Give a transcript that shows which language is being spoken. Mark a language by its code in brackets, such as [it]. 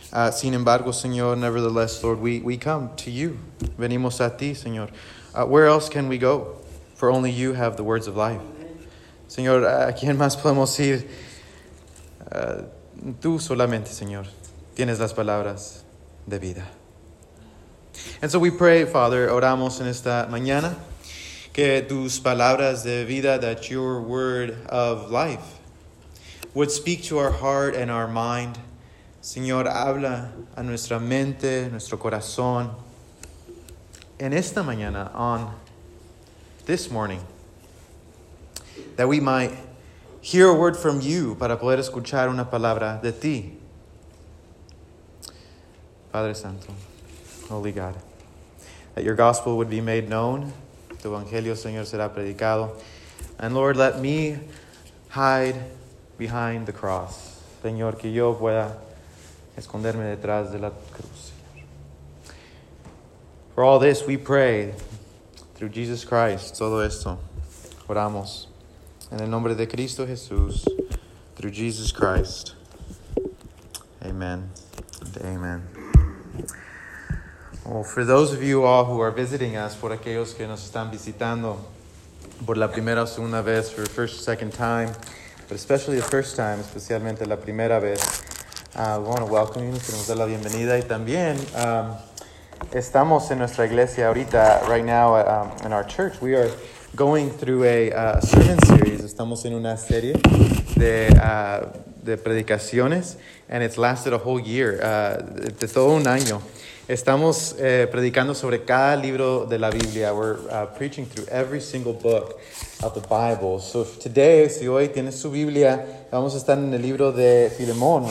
[es] Sin embargo, Señor, [en] nevertheless, Lord, we come to you. [es] Venimos a ti, Señor. [en] Where else can we go? For only you have the words of life. [es] Amen. Señor, ¿a quién más podemos ir? Tú solamente, Señor, tienes las palabras de vida. [en] And so we pray, Father, [es] oramos en esta mañana. Que tus palabras de vida, [en] that your word of life would speak to our heart and our mind. [es] Señor, habla a nuestra mente, nuestro corazón. En esta mañana, [en] on this morning, that we might hear a word from you [es] para poder escuchar una palabra de ti. Padre Santo, [en] Holy God, that your gospel would be made known. [es] Tu evangelio, Señor, será predicado. [en] And Lord, let me hide behind the cross. [es] Señor, que yo pueda esconderme detrás de la cruz, Señor. [en] For all this, we pray through Jesus Christ. [es] Todo esto, oramos en el nombre de Cristo Jesús, [en] through Jesus Christ. Amen and amen. Well, for those of you all who are visiting us, [es] por aquellos que nos están visitando por la primera o segunda vez, [en] for the first or second time, but especially the first time, [es] especialmente la primera vez, [en] we want to welcome you, [es] queremos dar la bienvenida, y también estamos en nuestra iglesia ahorita, [en] right now, in our church. We are going through a sermon series, [es] estamos en una serie de predicaciones, [en] and it's lasted a whole year, [es] de todo un año. Estamos predicando sobre cada libro de la Biblia. [en] We're preaching through every single book of the Bible. So if today, [es] si hoy tienes su Biblia, vamos a estar en el libro de Filemón.